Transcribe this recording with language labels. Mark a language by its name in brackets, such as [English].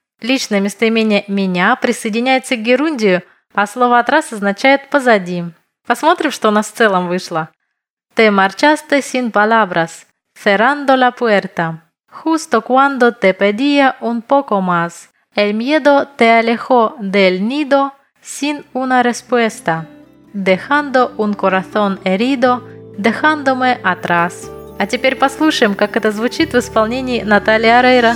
[Russian] Личное местоимение «меня» присоединяется к герундию, а слово «atrás» означает «позади». Посмотрим, что у нас в целом вышло. [Spanish] «Te marchaste sin palabras, cerrando la puerta. Justo cuando te pedía un poco más. El miedo te alejó del nido». Sin una respuesta. Dejando un corazón herido, dejándome atrás. [Russian] А теперь послушаем, как это звучит в исполнении Натальи Орейро.